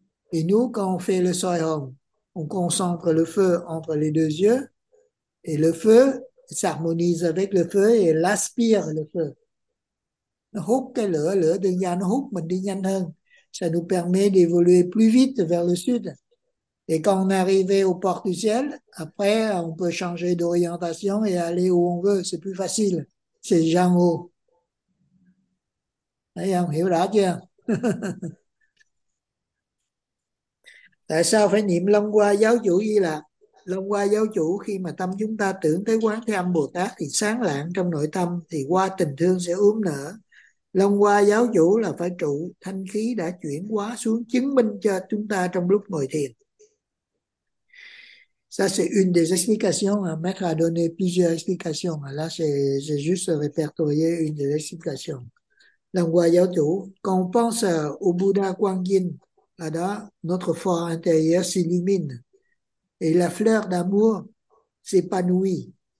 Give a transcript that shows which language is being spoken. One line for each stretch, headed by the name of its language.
French: Et nous quand on fait le soi hồng, on concentre le feu entre les deux yeux et le feu s'harmonise avec le feu et l'aspire le feu.
Vietnamese: Nó hút cái lửa, lửa tương giao nó hút mình đi nhanh hơn.
French: Ça nous permet d'évoluer plus vite vers le sud. Et quand on est arrivé aux portes du ciel, après, on peut changer d'orientation et aller où on veut. C'est plus facile. C'est déjà en haut.
Vietnamese: Thấy không? Hiểu rõ chưa? Tại sao phải niệm Long Hoa giáo chủ Di Lặc? Long Hoa giáo chủ, khi mà tâm chúng ta tưởng tới Quán Thế Âm Bồ Tát thì sáng lạng trong nội tâm, thì hoa tình thương sẽ ướm nở. Long Hoa giáo chủ là phải trụ thanh khí đã chuyển hóa xuống chứng minh cho chúng ta trong lúc ngồi thiền.
French: Ça c'est une des explications. Un maître a donné plusieurs explications. Là, c'est juste répertorier une des explications. Long Hoa giáo chủ, quand on pense au Bouddha Quang Yin,
Vietnamese: là đó,
French: notre phare intérieur s'illumine et la fleur d'amour s'épanouit.